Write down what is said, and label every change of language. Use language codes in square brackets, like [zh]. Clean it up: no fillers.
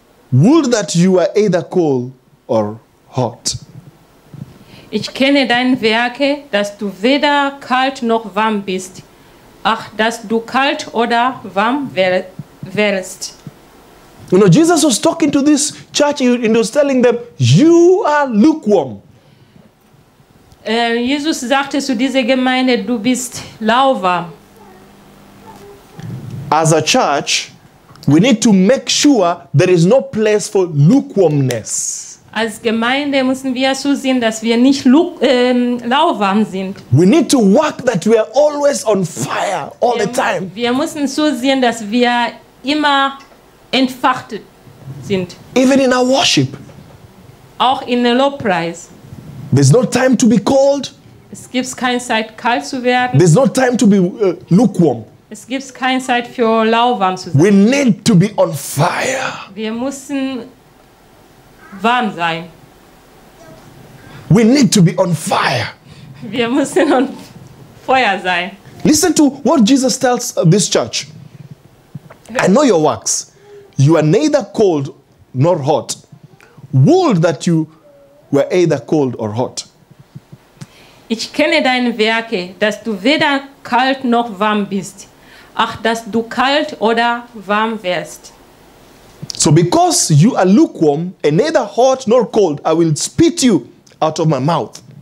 [en] Would that you were either cold or hot. [de] Ich kenne deine Werke, dass du weder kalt noch warm bist. Ach, dass du kalt oder warm wärst. [en] You know, Jesus was talking to this church and was telling them, you are lukewarm. [de] Jesus sagte zu dieser Gemeinde, du bist lauwarm. [en] As a church, we need to make sure there is no place for lukewarmness. [de] Als Gemeinde müssen wir zusehen, dass wir nicht lauwarm sind. [en] We need to work that we are always on fire all the time. [de] Wir müssen zusehen, dass wir immer entfachtet sind. [en] Even in our worship. [de] Auch in der Lobpreis. [en] There's no time to be cold. [de] Es gibt keine Zeit, kalt zu werden. [en] There's no time to be lukewarm. [de] Es gibt keine Zeit für lauwarm zu sein. [en] We need to be on fire. [de] Wir müssen warm sein. [en] We need to be on fire. [de] Wir müssen on Feuer sein. [en] Listen to what Jesus tells this church. I know your works. You are neither cold nor hot. Would that you were either cold or hot. [de] Ich kenne deine Werke, dass du weder kalt noch warm bist. Ach, dass du kalt oder warm wärst. [en] So because you are lukewarm and neither hot nor cold, I will spit you out of my mouth.